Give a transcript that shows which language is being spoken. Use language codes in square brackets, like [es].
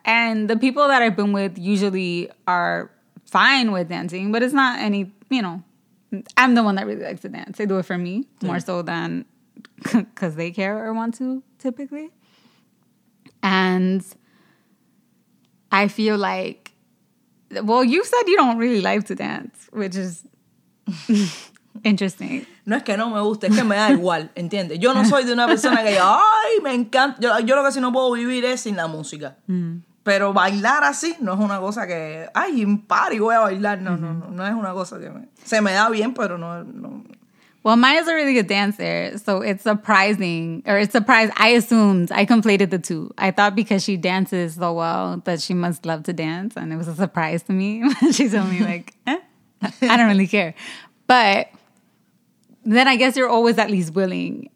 [en] And the people that I've been with usually are fine with dancing, but it's not any, you know, I'm the one that really likes to dance. They do it for me more so than because they care or want to, typically. And I feel like, well, you said you don't really like to dance, which is interesting. [es] No es que no me guste, es que me da igual, ¿entiendes? Yo no soy de una persona que, ay, me encanta. Yo lo que sí no puedo vivir es sin la música. Pero bailar así no es una cosa que, ay, impar y voy a bailar. No, no es una cosa que me... Se me da bien, pero no... [en] Well, Maya's a really good dancer, so it's surprising. Or it's surprised. I assumed. I conflated the two. I thought because she dances so well that she must love to dance. And it was a surprise to me. She told me, like, eh? I don't really care. But then I guess you're always at least willing.